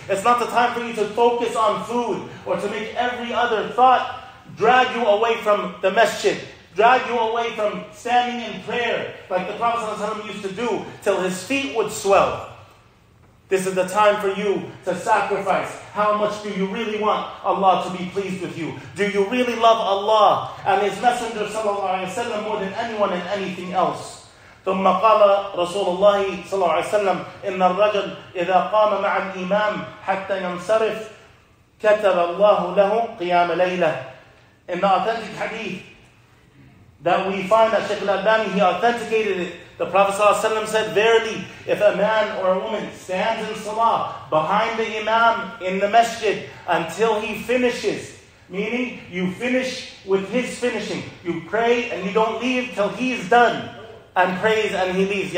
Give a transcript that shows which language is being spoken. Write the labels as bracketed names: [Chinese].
[English] It's not the time for you to focus on food or to make every other thought drag you away from the masjid, drag you away from standing in prayer like the Prophet ﷺ used to do till his feet would swell. This is the time for you to sacrifice. How much do you really want Allah to be pleased with you? Do you really love Allah and His Messenger ﷺ more than anyone and anything else? [Arabic] ثم قال رسول الله صلى الله عليه وسلم إن الرجل إذا قام مع الإمام حتى ينصرف كتب الله له قيام ليلة. [English] In the authentic hadith that we find that Sheikh al-Albani, he authenticated it, the Prophet [Arabic] صلى الله عليه وسلم [English] said, verily, if a man or a woman stands in salah behind the Imam in the masjid until he finishes, meaning you finish with his finishing, you pray and you don't leave till he is done and prays and he leaves.